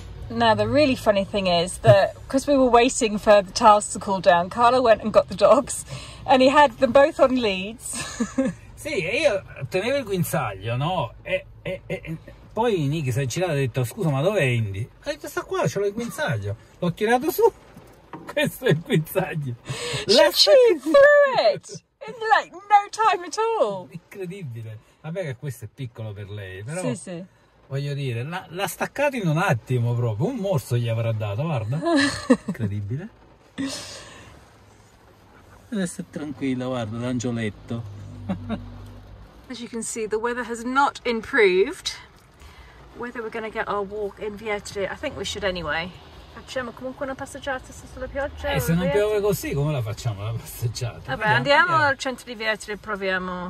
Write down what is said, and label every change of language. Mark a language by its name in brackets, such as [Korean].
[English] Now, the really funny thing is that because we were waiting for the tiles to cool down, Carlo went and got the dogs and he had them both on leads. [Italian] Sì, io tenevo il guinzaglio, no? Poi Nicki si è girato e ha detto, scusa, ma dove è Indy? Ha detto, sta qua, ce l'ho il guinzaglio. L'ho tirato su. Questo è il guinzaglio. [English] She threw it in like no time at all. [Italian] Incredibile. Vabbè che questo è piccolo per lei, però... Sì, sì. Voglio dire, l'ha staccato in un attimo proprio, un morso gli avrà dato, guarda, incredibile. Adesso è tranquilla, guarda, l'angioletto. [English] As you can see, the weather has not improved. Whether we're going to get our walk in Vietri, I think we should anyway. [Italian] Facciamo comunque una passeggiata sulla pioggia? Se non piove così, come la facciamo la passeggiata? Vabbè, andiamo al centro di Vietri e proviamo.